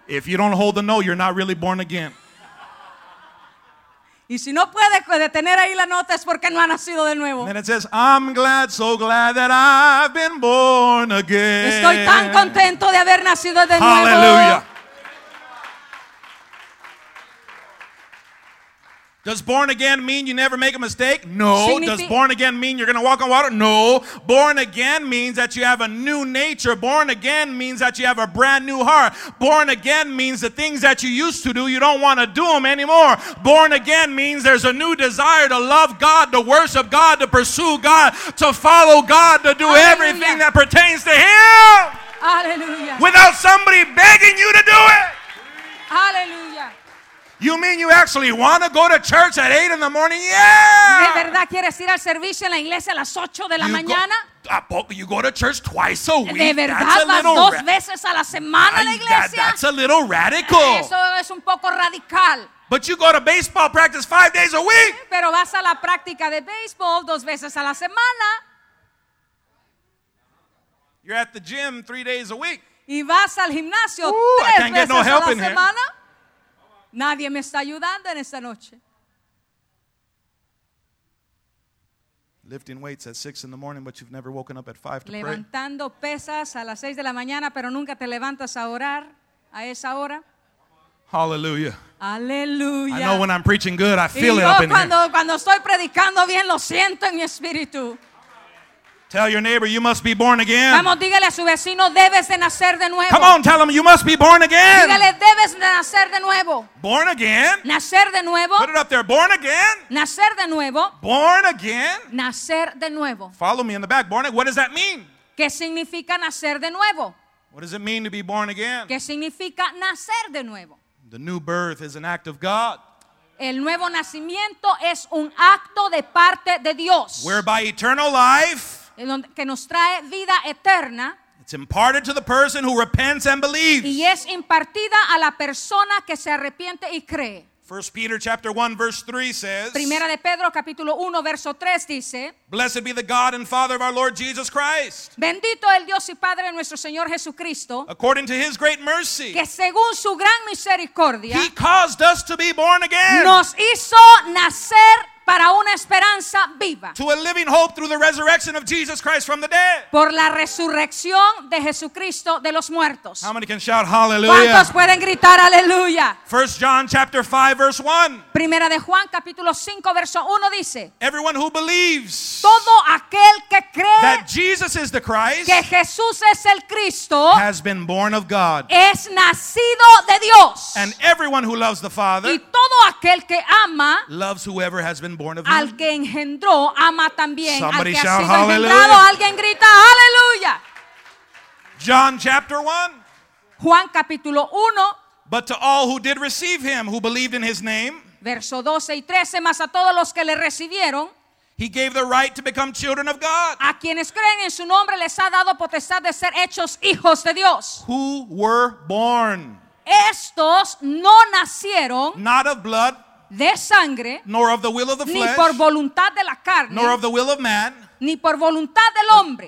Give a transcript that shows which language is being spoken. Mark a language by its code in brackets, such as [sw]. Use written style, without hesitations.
[en] If you don't hold the note, you're not really born again. [es] Y si no puede detener ahí la nota es porque no ha nacido de nuevo. [en] And it says, I'm glad, so glad that I've been born again. [es] Estoy tan contento de haber nacido de Nuevo. [en] Hallelujah. Does born again mean you never make a mistake? No. Does born again mean you're going to walk on water? No. Born again means that you have a new nature. Born again means that you have a brand new heart. Born again means the things that you used to do, you don't want to do them anymore. Born again means there's a new desire to love God, to worship God, to pursue God, to follow God, to do Hallelujah. Everything that pertains to Him. Hallelujah. Without somebody begging you to do it. Hallelujah. You mean you actually want to go to church at 8 in the morning? Yeah! [es] ¿De verdad quieres ir al servicio en la iglesia a las 8 de la mañana? [en] You go to church twice a week? [es] ¿De verdad vas dos veces a la semana a la iglesia? [en] That's a little radical. [es] Eso es un poco radical. [en] But you go to baseball practice 5 days a week? [es] Pero vas a la práctica de baseball dos veces a la semana. [en] You're at the gym 3 days a week. [es] Y vas al gimnasio tres veces a la semana. Nadie me está ayudando en esta noche. [en] Lifting weights at 6 in the morning, but you've never woken up at 5 to pray. [es] Levantando pesas a las 6 de la mañana, pero nunca te levantas a orar a esa hora. [en] Hallelujah. Hallelujah. I know when I'm preaching good, I feel [es] y [en] it [es] yo [en] up in [es] cuando, [en] here. [es] Cuando estoy predicando bien, lo siento en mi espíritu. [en] Tell your neighbor you must be born again. [es] Vamos, dígale a su vecino debes de nacer de nuevo. [en] Come on, tell him you must be born again. [es] Dígale debes de nacer de nuevo. [en] Born again. [es] Nacer de nuevo. [en] Put it up there. Born again. [es] Nacer de nuevo. [en] Born again. [es] Nacer de nuevo. [en] Follow me in the back. Born again. What does that mean? [es] ¿Qué significa nacer de nuevo? [en] What does it mean to be born again? [es] ¿Qué significa nacer de nuevo? [en] The new birth is an act of God. [es] El nuevo nacimiento es un acto de parte de Dios. [en] Whereby eternal life. [es] Que nos trae vida eterna. [en] It's imparted to the person who repents and believes. [es] Y es impartida a la persona que se arrepiente y cree. [en] 1 Peter chapter 1 verse 3 says, [es] Primera de Pedro capítulo 1 verso 3 dice, [en] Blessed be the God and Father of our Lord Jesus Christ. [es] Bendito el Dios y Padre nuestro Señor Jesucristo. [en] According to his great mercy. [es] Que según su gran misericordia. [en] He caused us to be born again. [es] Nos hizo nacer para una esperanza viva. [en] To a living hope through the resurrection of Jesus Christ from the dead. [es] Por la resurrección de Jesucristo de los muertos. [en] How many can shout hallelujah? [es] ¿Cuántos pueden gritar aleluya? [en] 1 John chapter 5 verse 1. [es] Primera de Juan capítulo 5 verso 1 dice. [en] Everyone who believes. [es] Todo aquel que cree. [en] That Jesus is the Christ. [es] Que Jesús es el Cristo. [en] Has been born of God. [es] Es nacido de Dios. [en] And everyone who loves the Father. [es] Y todo aquel que ama. [en] Loves whoever has been born of [es] al que engendró ama también. [en] Somebody [es] al que [en] shout [es] ha sido [en] hallelujah. [es] Engendrado, alguien grita hallelujah. [en] John chapter 1. [es] Juan capítulo 1. [en] But to all who did receive him, who believed in his name. [es] Verso 12 y 13, más a todos los que le recibieron. [en] He gave the right to become children of God. [es] A quienes creen en su nombre les ha dado potestad de ser hechos hijos de Dios. [en] Who were born. [es] Estos no nacieron. [en] Not of blood. [es] De sangre, [en] nor of the will of the flesh, [es] ni por voluntad de la carne, [en] nor of the will of man, [es] ni por voluntad del hombre,